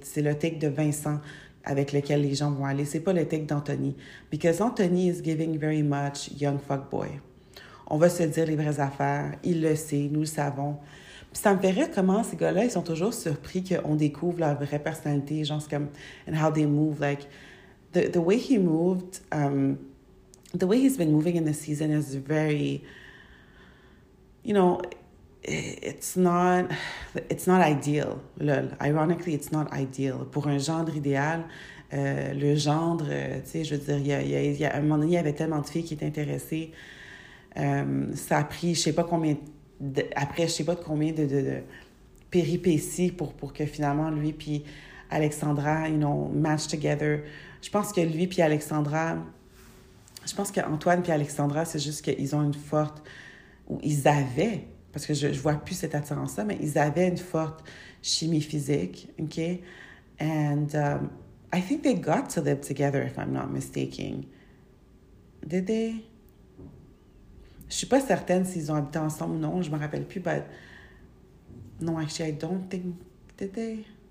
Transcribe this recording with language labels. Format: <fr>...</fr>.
<fr>C'est le take de Vincent avec lequel les gens vont aller. C'est pas le take d'Anthony.</fr> <en>Because Anthony is giving very much young fuckboy.</en> <fr>On va se dire les vraies affaires. Il le sait. Nous le savons. Puis ça me fait rire comment ces gars-là, ils sont toujours surpris qu'on découvre leur vraie personnalité. Genre, c'est comme...</fr> <en>And how they move. Like, the way he moved... the way he's been moving in the season is very... You know, it's not ideal. Lol. Ironically, it's not ideal.</en> <fr>Pour un gendre idéal, le gendre, tu sais, je veux dire, il y a un moment donné, il y avait tellement de filles qui étaient intéressées. Ça a pris, je sais pas combien de péripéties pour que finalement lui puis Alexandra,</fr> <en>match together.</en> <fr>Je pense que lui puis Alexandra, je pense que Antoine puis Alexandra, c'est juste qu'ils ont une forte où ils avaient, parce que je vois plus cette attirance-là, mais ils avaient une forte chimie physique, OK?</fr> <en>And I think they got to live together, if I'm not mistaken. Did they?</en> <fr>Je suis pas certaine s'ils ont habité ensemble ou non, je me rappelle plus, but...</fr> <en>No, actually, I don't think... Did they?</en>